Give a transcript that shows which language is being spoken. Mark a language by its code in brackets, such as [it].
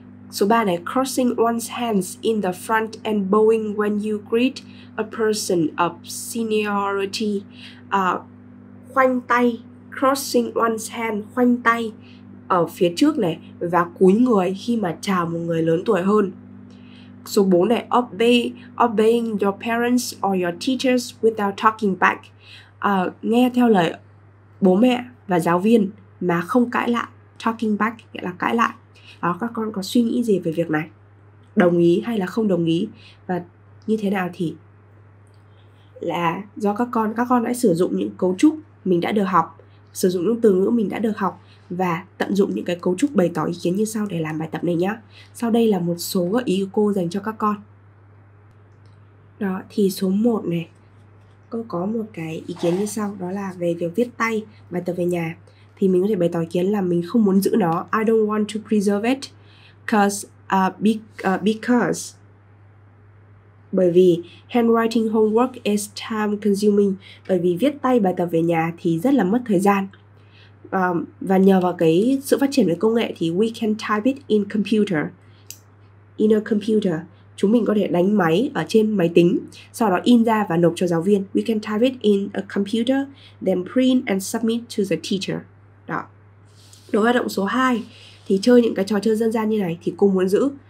[vi] Số 3 này, [en] crossing one's hands in the front and bowing when you greet a person of seniority. [vi] Khoanh tay, [en] crossing one's hand, [vi] khoanh tay ở phía trước này và cúi người khi mà chào một người lớn tuổi hơn. Số 4 này, [en] obeying your parents or your teachers without talking back. [vi] Nghe theo lời bố mẹ và giáo viên mà không cãi lại. Talking back nghĩa là cãi lại. Các con có suy nghĩ gì về việc này? đồng ý hay là không đồng ý, và như thế nào thì là do các con đã sử dụng những cấu trúc mình đã được học, sử dụng những từ ngữ mình đã được học và tận dụng những cái cấu trúc bày tỏ ý kiến như sau để làm bài tập này nhá. Sau đây là một số gợi ý của cô dành cho các con. Đó, thì số 1 này, cô có một cái ý kiến như sau, đó là về việc viết tay bài tập về nhà. Thì mình có thể bày tỏ ý kiến là mình không muốn giữ nó. [en] I don't want to preserve it because [vi] bởi vì [en] handwriting homework is time consuming. [vi] Bởi vì viết tay bài tập về nhà thì rất là mất thời gian. Và nhờ vào cái sự phát triển về công nghệ thì [en] we can type it in computer. In a computer, [vi] chúng mình có thể đánh máy ở trên máy tính, sau đó in ra và nộp cho giáo viên. [en] We can type it in a computer, then print and submit to the teacher. [vi] Đó. Đối với động số 2, thì chơi những cái trò chơi dân gian như này thì cô muốn giữ.